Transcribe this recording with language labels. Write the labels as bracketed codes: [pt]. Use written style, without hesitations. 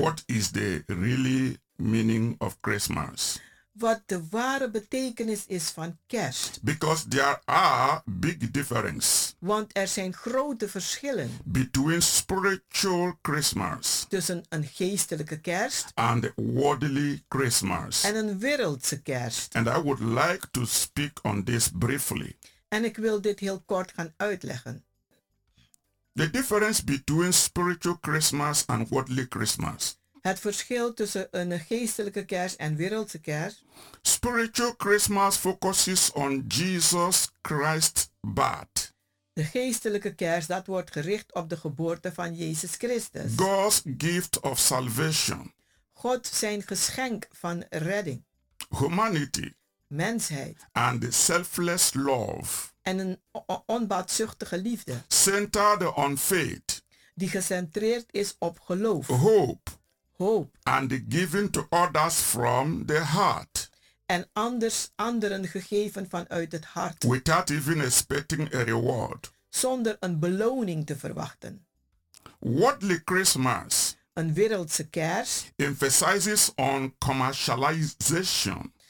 [en] What is the really meaning of Christmas? [nl] Wat de ware betekenis is van kerst. [en] Because there are big differences. [nl] Want er zijn grote verschillen. [en] Between spiritual Christmas. [nl] Tussen een geestelijke kerst. [en] And worldly Christmas. [nl] En een wereldse kerst. [en] And I would like to speak on this briefly. [nl] En ik wil dit heel kort gaan uitleggen. [en] The difference between spiritual Christmas and worldly Christmas. [nl] Het verschil tussen een geestelijke kerst en wereldse kerst. [en] Spiritual Christmas focuses on Jesus Christ's birth. [nl] De geestelijke kerst, dat wordt gericht op de geboorte van Jezus Christus. [en] God's gift of salvation. [nl] God zijn geschenk van redding. [en] Humanity. [nl] Mensheid. [en] And the selfless love. [nl] En een onbaatzuchtige liefde. [en] Centered on faith. [nl] Die gecentreerd is op geloof. [en] Hope. [nl] Hoop. [en] And the giving to others from the heart. [nl] En anders anderen gegeven vanuit het hart. [en] Without even expecting a reward. [nl] Zonder een beloning te verwachten. [en] Worldly Christmas. [nl] Een wereldse kerst. [en] Emphasizes on commercialization.